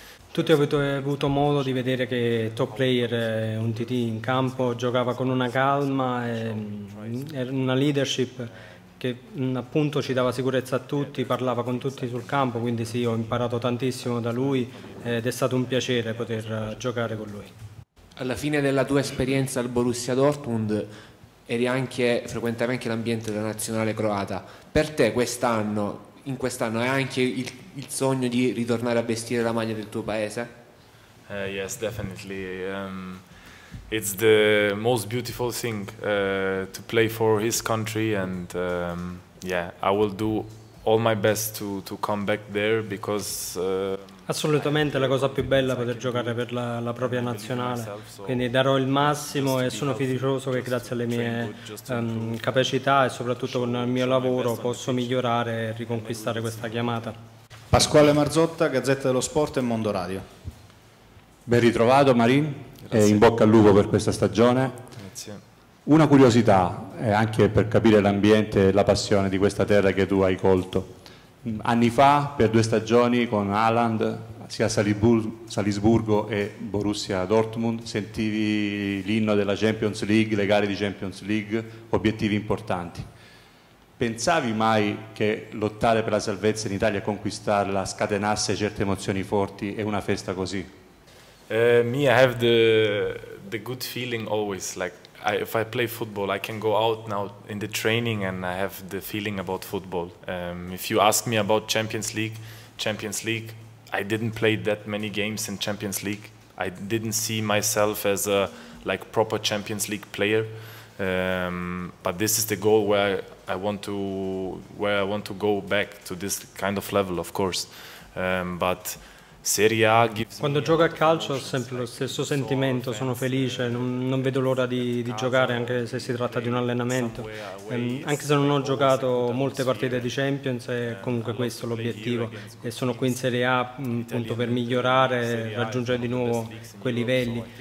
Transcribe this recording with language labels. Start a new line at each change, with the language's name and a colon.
Italian: tutti avuto modo di vedere che top player Umtiti in campo giocava con una calma e una leadership che appunto ci dava sicurezza a tutti, parlava con tutti sul campo, quindi sì, ho imparato tantissimo da lui ed è stato un piacere poter giocare con lui. Alla fine della tua esperienza al Borussia Dortmund frequentavi anche l'ambiente della nazionale croata. Per te in quest'anno hai anche il sogno di ritornare a vestire la maglia del tuo paese?
English: Yes, definitely. It's the most beautiful thing to play for his country, and yeah, I will do all my best to come back there, because
Italian: assolutamente la cosa più bella è poter giocare per la propria nazionale, quindi darò il massimo e sono fiducioso che grazie alle mie capacità e soprattutto con il mio lavoro posso migliorare e riconquistare questa chiamata. Pasquale Marzotta, Gazzetta dello Sport e Mondo Radio. Ben ritrovato Marin. E in bocca al lupo per questa stagione. Grazie. Una curiosità, anche per capire l'ambiente e la passione di questa terra che tu hai colto. Anni fa, per 2 stagioni con Haaland, sia Salisburgo e Borussia Dortmund, sentivi l'inno della Champions League, le gare di Champions League, obiettivi importanti. Pensavi mai che lottare per la salvezza in Italia e conquistarla scatenasse certe emozioni forti e una festa così?
English: Me, I have the good feeling always. Like if I play football, I can go out now in the training and I have the feeling about football. If you ask me about Champions League, I didn't play that many games in Champions League. I didn't see myself as a like proper Champions League player. But this is the goal where I want to go back to this kind of level, of course. But
Italian: Serie A. Quando gioco a calcio ho sempre lo stesso sentimento, sono felice, non vedo l'ora di giocare, anche se si tratta di un allenamento. Anche se non ho giocato molte partite di Champions, è comunque questo l'obiettivo. E sono qui in Serie A appunto per migliorare, raggiungere di nuovo quei livelli.